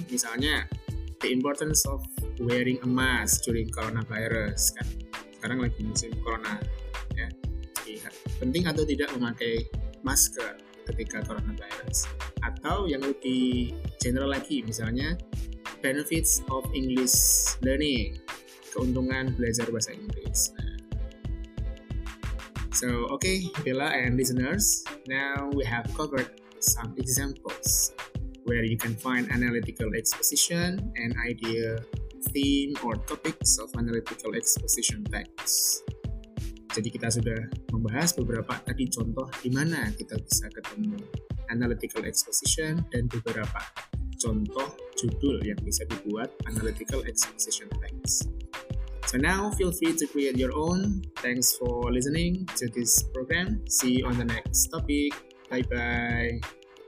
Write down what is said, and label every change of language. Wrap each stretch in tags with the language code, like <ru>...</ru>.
<en>Misalnya, the importance of wearing a mask during coronavirus,</en> <id>kan sekarang lagi musim corona, ya. Jadi, penting atau tidak memakai masker ketika coronavirus, atau yang lebih general lagi, misalnya</id> <en>benefits of English learning,</en> <id>keuntungan belajar bahasa Inggris. Nah,</id> <en>So, okay, Bella and listeners, now we have covered some examples where you can find analytical exposition and idea, theme, or topics of analytical exposition text.</en> <id>Jadi kita sudah membahas beberapa tadi contoh di mana kita bisa ketemu analytical exposition dan beberapa contoh judul yang bisa dibuat analytical exposition text.</id> <en>So now feel free to create your own. Thanks for listening to this program. See you on the next topic. Bye bye.</en>